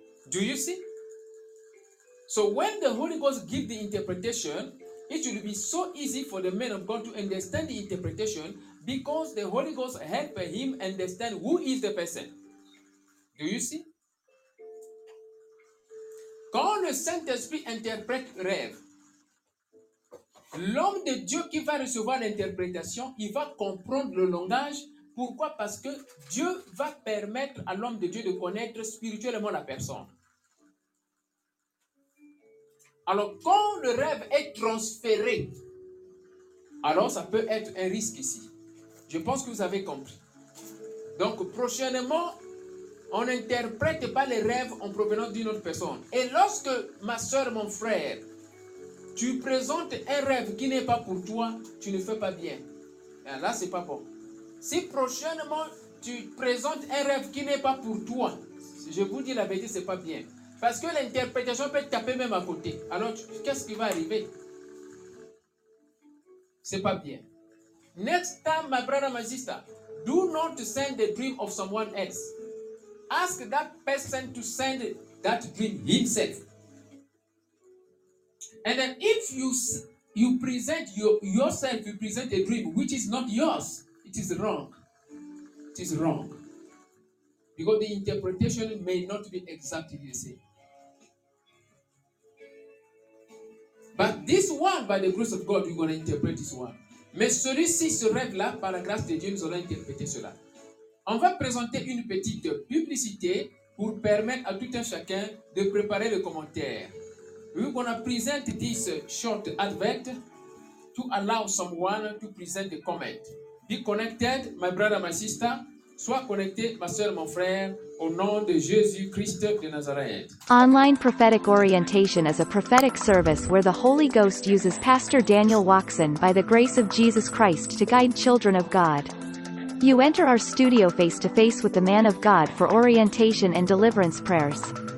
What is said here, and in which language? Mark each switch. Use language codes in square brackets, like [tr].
[en] Do you see? So when the Holy Ghost gives the interpretation, it will be so easy for the man of God to understand the interpretation, because the Holy Ghost helps him understand who is the person. Do you see? [fr] Quand le Saint-Esprit interprète rêve, l'homme de Dieu qui va recevoir l'interprétation, il va comprendre le langage. Pourquoi? Parce que Dieu va permettre à l'homme de Dieu de connaître spirituellement la personne. Alors, quand le rêve est transféré, alors ça peut être un risque ici. Je pense que vous avez compris. Donc, prochainement, on n'interprète pas les rêves en provenance d'une autre personne. Et lorsque, ma soeur, mon frère, tu présentes un rêve qui n'est pas pour toi, tu ne fais pas bien. Là, c'est pas bon. Si prochainement, tu présentes un rêve qui n'est pas pour toi, je vous dis la vérité, c'est pas bien. Parce que l'interprétation peut taper même à côté. Alors, qu'est-ce qui va arriver? C'est pas bien. [en] Next time, my brother, my sister, do not send the dream of someone else. Ask that person to send that dream himself. And then if you present yourself, you present a dream which is not yours, it is wrong. It is wrong. Because the interpretation may not be exactly the same. But this one, by the grace of God, you're going to interpret this one. [fr] Mais celui-ci, ce rêve-là, par la grâce de Dieu, nous allons interpréter cela. On va présenter une petite publicité pour permettre à tout un chacun de préparer le commentaire. [en] We're going to present this short advert to allow someone to present the comment. Be connected, my brother, my sister. [fr] Sois connecté, ma soeur, mon frère, au nom de Jésus-Christ de Nazareth. [en] Online prophetic orientation is a prophetic service where the Holy Ghost uses Pastor Daniel Waxon by the grace of Jesus Christ to guide children of God. You enter our studio face-to-face with the man of God for orientation and deliverance prayers.